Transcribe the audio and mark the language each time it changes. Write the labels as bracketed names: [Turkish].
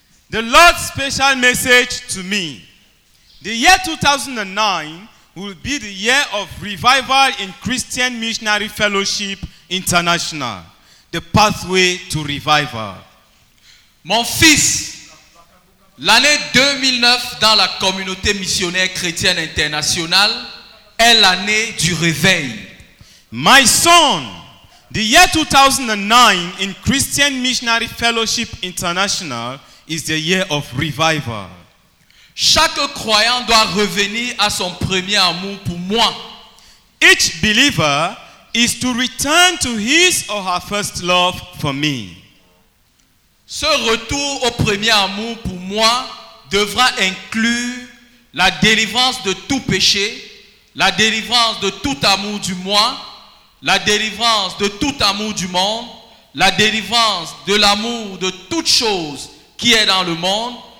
[English] The Lord's special message to me. The year 2009 will be the year of revival in Christian Missionary Fellowship International. The pathway to revival. [French] Mon fils, l'année 2009 dans la communauté missionnaire chrétienne internationale est l'année du réveil. [English] My son, the year 2009 in Christian Missionary Fellowship International is the year of revival. [French] Chaque croyant doit revenir à son premier amour pour moi. [English] Each believer is to return to his or her first love for me. [French] Ce retour au premier amour pour moi devra inclure la délivrance de tout péché, la délivrance de tout amour du moi, la délivrance de tout amour du monde, la délivrance de l'amour de toute chose qui est dans le monde,